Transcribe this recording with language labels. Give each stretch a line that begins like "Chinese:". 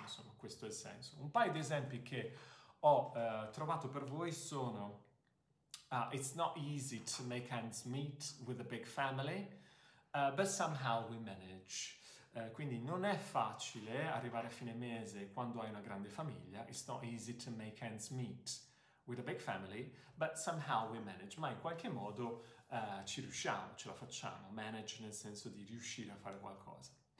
Italian: Insomma, questo è il senso. Un paio di esempi che ho trovato per voi sono:
English: It's not easy to make ends meet with a big family, but somehow we manage.
Italian: Quindi non è facile arrivare a fine mese quando hai una grande famiglia.
English: It's not easy to make ends meet with a big family, but somehow we manage.
Italian: Ma in qualche modo ci riusciamo, ce la facciamo. Manage nel senso di riuscire a fare qualcosa.